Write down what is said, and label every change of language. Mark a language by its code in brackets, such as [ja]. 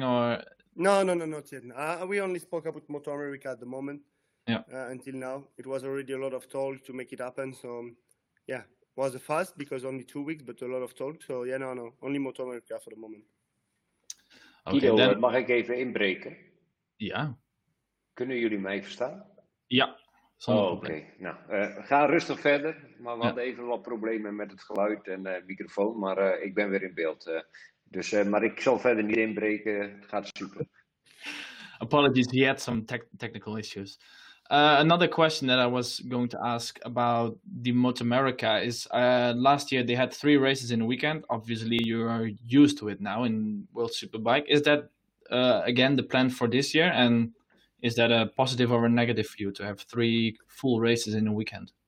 [en] No, not yet. We only spoke about Moto America at the moment. Yeah. Until now. It was already a lot of talk to make it happen. So, yeah, it was fast because only 2 weeks, but a lot of talk. So, only Moto America for the moment. [nl] Guido, okay, mag ik even inbreken? Ja. Kunnen jullie mij verstaan? Ja. Oké. Nou, ga rustig verder. Maar we hadden even wat problemen met het geluid en microfoon. Maar ik ben weer in beeld. Maar ik zal verder niet inbreken. Het gaat super. [en] Apologies, he had some technical issues. Another question that I was going to ask about the Motomerica is last year they had 3 races in a weekend. Obviously, you are used to it now in World Superbike. Is that, again, the plan for this year? And is that a positive or a negative for you to have 3 full races in a weekend?